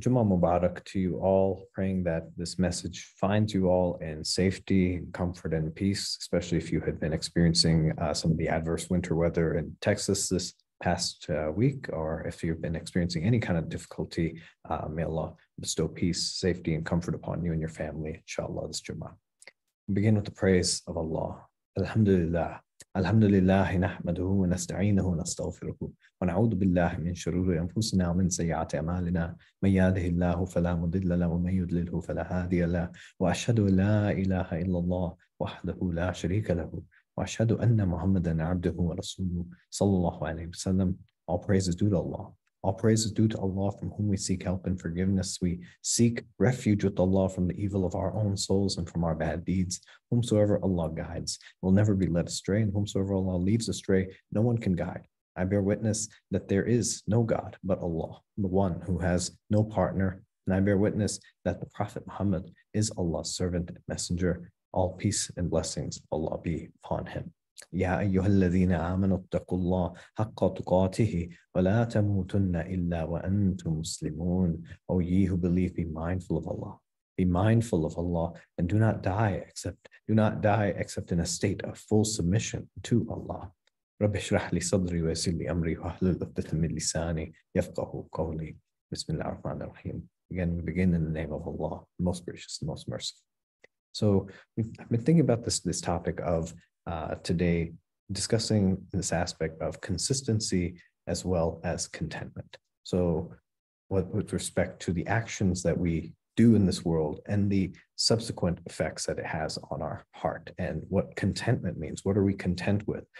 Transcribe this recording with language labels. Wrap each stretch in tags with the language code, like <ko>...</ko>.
<en>Jumma Mubarak to you all. Praying that this message finds you all in safety, comfort, and peace, especially if you had been experiencing some of the adverse winter weather in Texas this past week, or if you've been experiencing any kind of difficulty. May Allah bestow peace, safety, and comfort upon you and your family, inshallah, this Jumma. We begin with the praise of Allah.</en> <ar>Alhamdulillah. الحمد لله نحمده ونستعينه ونستغفره ونعوذ بالله من شرور أنفسنا ومن سيئات أعمالنا من يهده الله فلا مضل له ومن يضلله فلا هادي له وأشهد أن لا إله إلا الله وحده لا شريك له وأشهد أن محمدا عبده ورسوله صلى الله عليه وسلم.</ar> <en>All praises due to Allah. All praises due to Allah, from whom we seek help and forgiveness. We seek refuge with Allah from the evil of our own souls and from our bad deeds. Whomsoever Allah guides will never be led astray, and whomsoever Allah leaves astray, no one can guide. I bear witness that there is no God but Allah, the one who has no partner. And I bear witness that the Prophet Muhammad is Allah's servant and messenger. All peace and blessings of Allah be upon him.</en> <ar>يا أيها الذين آمنوا اتقوا الله حق تقاته ولا تموتن إلا وأنتم مسلمون.</ar> <en>O ye who believe, be mindful of Allah. Be mindful of Allah and do not die except in a state of full submission to Allah.</en> <ar>رب اشرح لي صدري ويسر لي أمري واحلل عقدة من لساني يفقهوا قولي. بسم الله الرحمن الرحيم.</ar> <en>Again, we begin in the name of Allah, the most gracious, the most merciful. So I've been thinking about this topic of today, discussing this aspect of consistency as well as contentment. So with respect to the actions that we do in this world and the subsequent effects that it has on our heart, and what contentment means, what are we content with?</en>